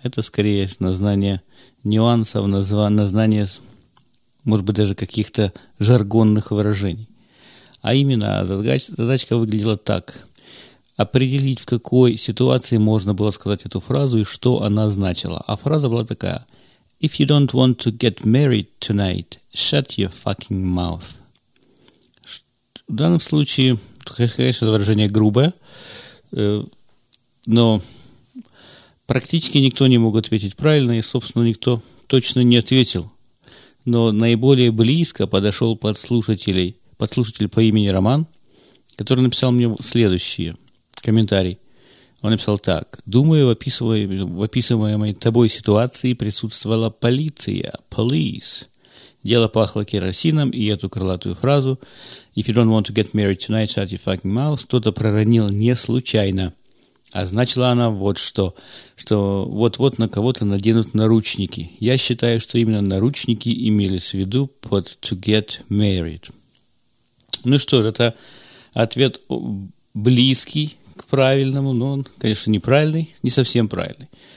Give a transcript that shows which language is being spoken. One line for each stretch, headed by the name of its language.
Russian: Это скорее на знание нюансов, на знание, может быть, даже каких-то жаргонных выражений. А именно, задачка выглядела так. Определить, в какой ситуации можно было сказать эту фразу и что она значила. А фраза была такая.
English: If you don't want to get married tonight, shut your fucking mouth.
Russian: В данном случае, конечно, это выражение грубое, но практически никто не мог ответить правильно, и, собственно, никто точно не ответил. Но наиболее близко подошел подслушатель по имени Роман, который написал мне следующий комментарий. Он написал так. «Думаю, в описываемой тобой ситуации присутствовала полиция.
English: Police.
Russian: Дело пахло керосином, и эту крылатую фразу
English: «If you don't want to get married tonight, shut your fucking mouth»
Russian: кто-то проронил не случайно. А значила она вот что. Что вот-вот на кого-то наденут наручники. Я считаю, что именно наручники имелись в виду под
English: «to get married».
Russian: Ну что ж, это ответ близкий к правильному, но он, конечно, неправильный, не совсем правильный.